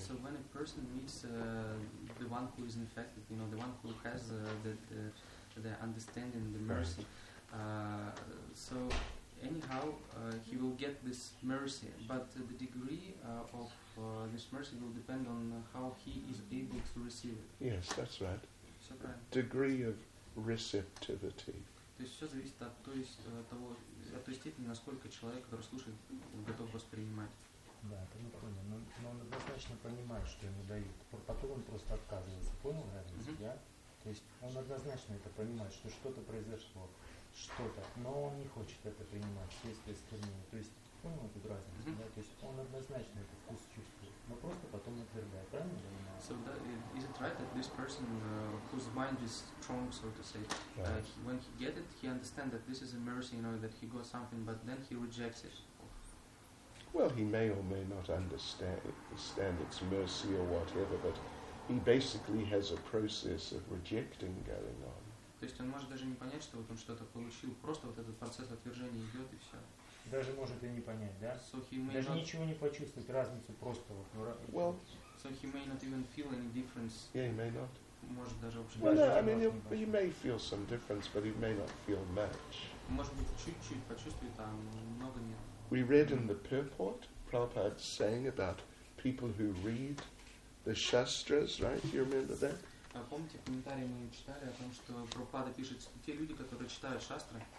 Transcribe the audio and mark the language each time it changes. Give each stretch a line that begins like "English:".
English: So when a person meets the one who is infected, you know, the one who has the understanding, the mercy, so anyhow he will get this mercy, but the degree of this mercy will depend on how he is able to receive it. Yes, that's right. So, right. Degree of receptivity.
Russian: То есть все зависит от той, от той степени, насколько человек, который слушает, готов воспринимать. Да, это не понял. Но он однозначно понимает, что ему дают. Потом он просто отказывается. Понял разницу, да? То есть он однозначно это понимает, что что-то произошло, что-то. Но он не хочет это принимать, вследствие стремления. То есть понял эту разницу, да? То есть он однозначно этот вкус чувствует, но просто потом отвергает. Правильно я понимаю?
English: So that, is it right that this person, whose mind is strong, so to say, when he get it, he understand that this is a mercy, you know, that he got something, but then he rejects it? Well, he may or may not understand its mercy or whatever, but he basically has a process of rejecting going on.
Russian: То есть он может даже не понять, что вот он что-то получил, просто вот этот процесс отвержения идет и все. Даже может и не понять, да? So даже ничего не почувствовать, разницу просто вот. Well,
English: so he may not even feel any difference. Yeah, he may not.
Russian: Может даже вообще.
English: Well, no, I mean, he may feel some difference, but he may not feel much.
Russian: Может быть чуть-чуть почувствует, а много нет.
English: We read in the purport, Prabhupada saying about people who read the shastras, right? You remember that?
Russian: Помните, в комментарии мы читали о том, что Прабхупада пишет, что те люди, которые читают шастры.